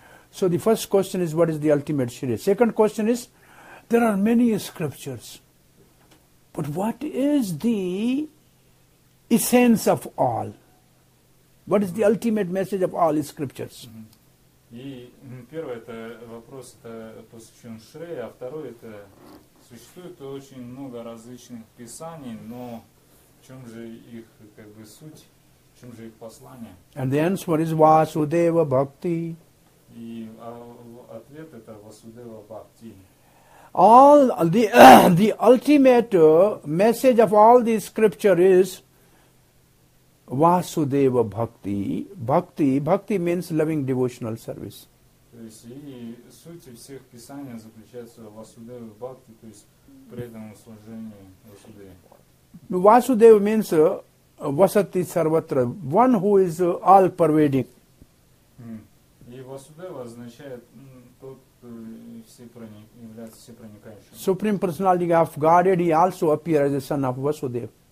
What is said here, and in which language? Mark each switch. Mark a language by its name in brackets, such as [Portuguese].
[English] So the first question is, what is the ultimate Shriya? Second question is, there are many scriptures, but what is the essence of all? What is the ultimate message of all scriptures? [Russian] И первый это вопрос это посвящен Шрее, а второй это существует очень много различных писаний, но в чем же их как бы суть, в чем же их послание? [English] And the answer is Vasudeva Bhakti. [Russian] И ответ это Vasudeva Bhakti. [English] All the ultimate message of all the scripture is Vasudeva Bhakti. Bhakti. Bhakti means loving devotional service. [Russian] То есть, и суть всех писаний заключается в Vasudeva Bhakti, то есть, преданном служении Vasudeva. [English] Vasudeva means Vasati Sarvatra, one who is all-pervading. [Russian] И Vasudeva означает тот, является всепроникающим. [English] Supreme Personality of Godhead, he also appears as the son of Vasudeva.